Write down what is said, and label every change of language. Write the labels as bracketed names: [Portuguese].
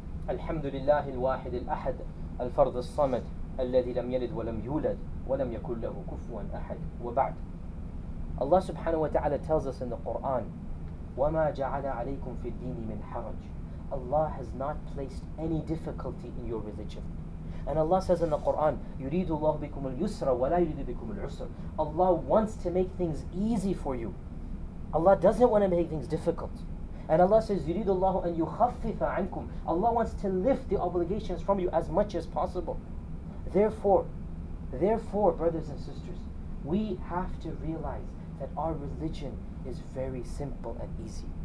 [Arabic] الحمد لله الواحد الأحد الفرد الصمد الذي لم يلد ولم يولد ولم يكن له كفوا أحد وبعد. [English] Allah subhanahu wa ta'ala tells us in the Quran, [Arabic] وَمَا جَعَلَ عَلَيْكُمْ فِي الدِّينِ مِنْ حَرَجٍ. [English] Allah has not placed any difficulty in your religion. And Allah says in the Quran, [Arabic] يُرِيدُ اللَّهُ بِكُمُ الْيُسْرَ وَلَا يُرِيدُ بِكُمُ الْعُسْرَ. [English] Allah wants to make things easy for you. Allah doesn't want to make things difficult. And Allah says, [Arabic] يُرِيدُ اللَّهُ أَنْ يُخَفِّفَ عَنْكُمْ. [English] Allah wants to lift the obligations from you as much as possible. Therefore, brothers and sisters, we have to realize that our religion is very simple and easy.